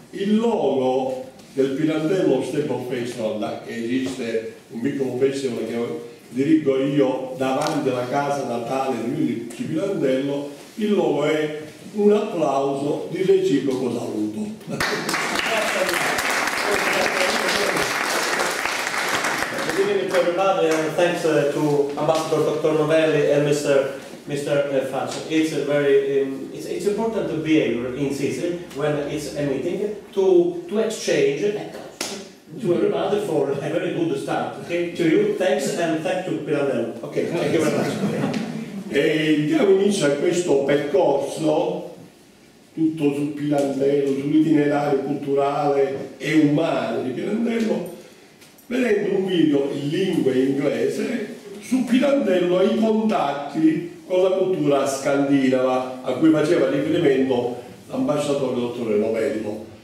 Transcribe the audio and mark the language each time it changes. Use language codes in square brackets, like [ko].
[it] Il logo del Pirandello Step of Festival, che esiste un piccolo festival che dirigo io davanti alla casa natale di Luigi Pirandello, il logo è un applauso di reciproco saluto. [en] Good evening to everybody, and thanks to Ambassador Dr. Novelli and Mr. Faccio. It's important to be here in Sicily when it's a meeting to exchange to everybody for a very good start. Okay. To you, thanks, and thanks to Pirandello. Okay, thank you very much. [it] E diamo inizio a questo percorso, tutto su Pirandello, sull'itinerario culturale e umano di Pirandello, vedendo un video in lingua inglese su Pirandello e i contatti con la cultura scandinava, a cui faceva riferimento l'ambasciatore dottore Novello.